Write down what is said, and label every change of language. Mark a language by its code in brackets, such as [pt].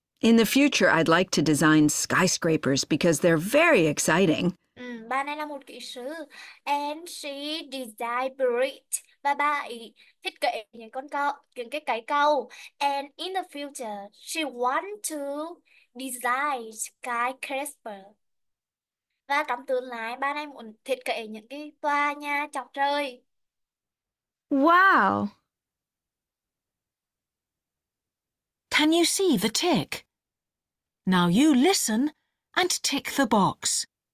[en] In the future, I'd like to design skyscrapers because they're very exciting. [vi] Ba này là một kỹ sư. [en] And she designed bridge. [vi] Và ba ấy thích kể những con cầu, những cái cầu. [en] And in the future, she want to design skyscraper. [vi] Và trong tương lai, ba này muốn thiết kế những cái tòa nhà chọc trời. [en] Wow! Can you see the tick? Now you listen and tick the box.